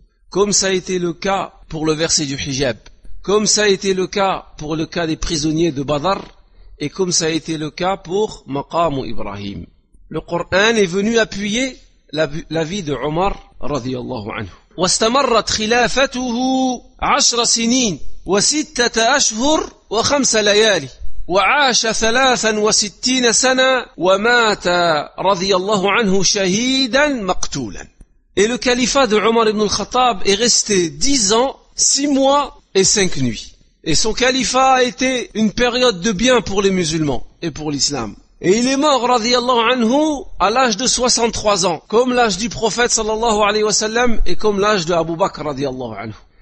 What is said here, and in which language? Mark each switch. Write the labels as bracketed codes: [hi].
[fr] Comme ça a été le cas pour le verset du hijab, comme ça a été le cas pour le cas des prisonniers de Badr, et comme ça a été le cas pour Maqam Ibrahim. Le Coran est venu appuyer la vie de Omar radiallahu anhu. [ar] واستمرت خلافته عشر سنين وستة أشهر وخمس ليالي وعاش ثلاثا وستين سنة ومات رضي الله عنه شهيدا مقتولا. [fr] Et le califat de Omar ibn al-Khattab est resté 10 ans, 6 mois et 5 nuits. Et son califat a été une période de bien pour les musulmans et pour l'islam. Et il est mort, radiallahu anhu, à l'âge de 63 ans, comme l'âge du prophète, sallallahu alayhi wa sallam, et comme l'âge de Abu Bakr, radiallahu anhu.